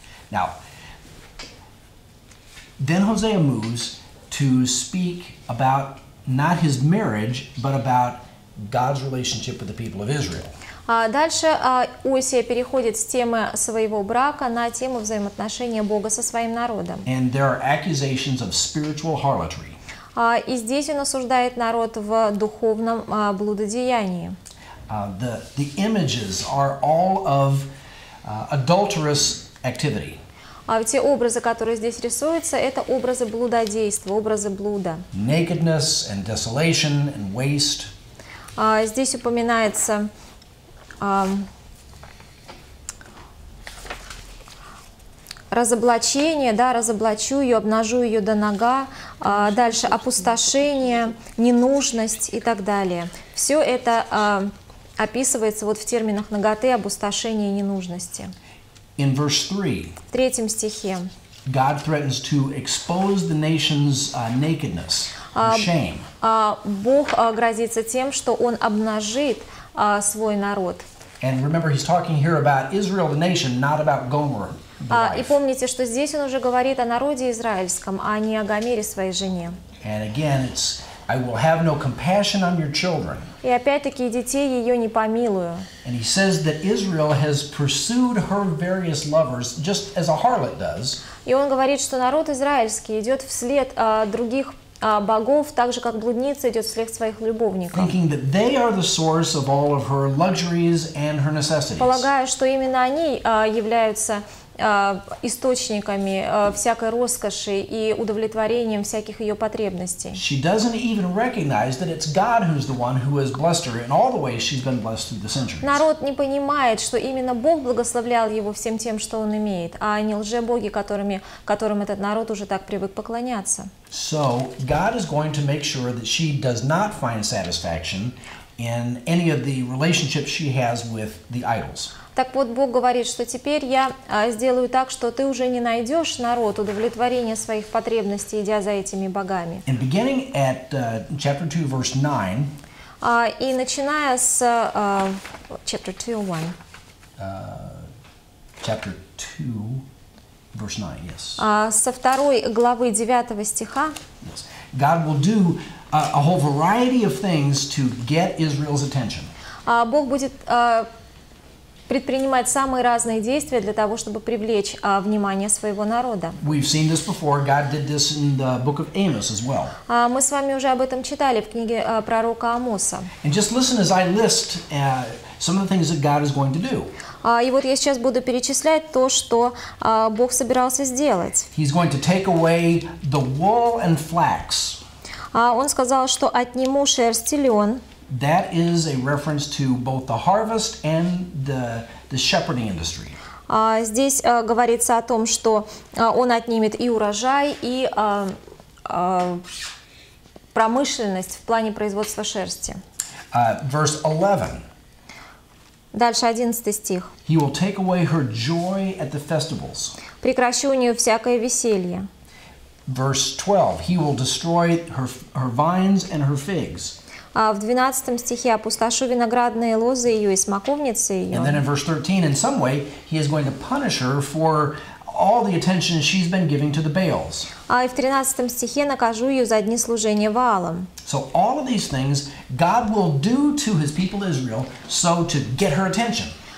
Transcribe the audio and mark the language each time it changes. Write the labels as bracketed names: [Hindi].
[English] Now, then Hosea moves to speak about not his marriage, but about God's relationship with the people of Israel. [Russian] Дальше Осия переходит с темы своего брака на тему взаимоотношения Бога со своим народом. [English] And there are accusations of spiritual harlotry. [Russian] И здесь он осуждает народ в духовном блудодеянии. [English] The images are all of adulterous activity. [Russian] Те образы, которые здесь рисуются, это образы блудодейства, образы блуда. [English] Nakedness and desolation and waste. [Russian] Здесь упоминается разоблачение, да, разоблачу ее, обнажу ее до нога, дальше опустошение, ненужность и так далее. Все это описывается вот в терминах наготы, опустошение и ненужности. [English] In verse 3, [Russian] в третьем стихе [English] God threatens to expose the nation's nakedness and shame. [Russian] Бог грозится тем, что он обнажит свой народ. [English] And remember, he's talking here about Israel, the nation, not about Gomer. [Russian] И помните, что здесь он уже говорит о народе израильском, а не о Гомере, своей жене. [English] And again, it's I will have no compassion on your children. [Russian] И опять-таки детей ее не помилую. [English] And he says that Israel has pursued her various lovers just as a harlot does. [Russian] И он говорит, что народ израильский идет вслед других богов, так же как блудница идет вслед своих любовников. [English] Thinking that they are the source of all of her luxuries and her necessities. [Russian] Полагая, что именно они являются источниками всякой роскоши и удовлетворением всяких ее потребностей. [English] She doesn't even recognize that it's God who's the one who has blessed her in all the ways she's been blessed through the centuries. [Russian] Народ не понимает, что именно Бог благословлял его всем тем, что он имеет, а не лжебоги, которым этот народ уже так привык поклоняться. [English] So God is going to make sure that she does not find satisfaction in any of the relationships she has with the idols. [Russian] Так вот, Бог говорит, что теперь я сделаю так, что ты уже не найдешь народ удовлетворения своих потребностей, идя за этими богами. [English] And beginning at chapter 2, verse 9. [Russian] И начиная с [English] chapter 2, [Russian] 1. [English] Chapter 2, verse 9, yes. [Russian] Со второй главы 9 стиха. [English] Yes. God will do a whole variety of things to get Israel's attention. [Russian] Бог будет предпринимать самые разные действия для того, чтобы привлечь внимание своего народа. Мы с вами уже об этом читали в книге пророка Амоса. И вот я сейчас буду перечислять то, что Бог собирался сделать. [English] He's going to take away the wool and flax. [Russian] Он сказал, что отниму шерсть и лен. [English] That is a reference to both the harvest and the shepherding industry. [Russian] Здесь говорится о том, что он отнимет и урожай, и промышленность в плане производства шерсти. [English] Verse 11. [Russian] Дальше 11 стих. [English] He will take away her joy at the festivals. [Russian] Прекращу у нее всякое веселье. [English] Verse 12. He will destroy her vines and her figs. [Russian] В 12 стихе «Опустошу виноградные лозы ее и смоковницы ее». [English] And then in verse 13, in some way, he is going to punish her for all the attention she's been giving to the Baals. [Russian] И в 13 стихе «Накажу ее за дни служения Ваалам». [English] So all of these things God will do to his people Israel so to get her attention.